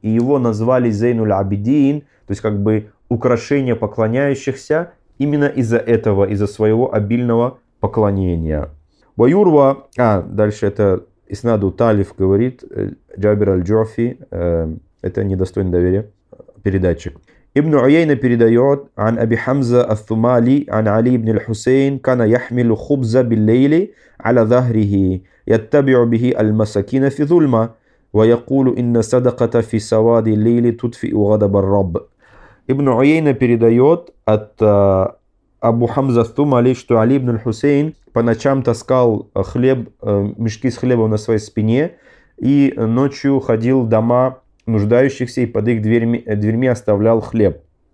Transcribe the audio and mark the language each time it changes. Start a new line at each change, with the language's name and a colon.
Russian: И его назвали Зейнул Абидин, то есть как бы украшение поклоняющихся, именно из-за этого, из-за своего обильного поклонения.
Arabic: وَيُرْوَ,
Russian: а дальше это Иснаду Талиф говорит, Джабир Аль-Джуфи, это недостойный доверия передатчик. Ибн Уйейна передает,
Arabic: عن أبي حمزة الثمالي, عن علي بن الحسين, كان يحمل خبز بالليل على ظهره. يتبع به المساكين في ظلمة ويقول إن صدقة في سواد الليل تطفئ غضب الرب.
Russian: Ибн Уйейна передает от Абу Хамза ас-Сумали, что Али ибн аль-Хусейн по ночам таскал хлеб, мешки с хлебом на своей спине и ночью ходил в дома нуждающихся и под их дверьми оставлял хлеб.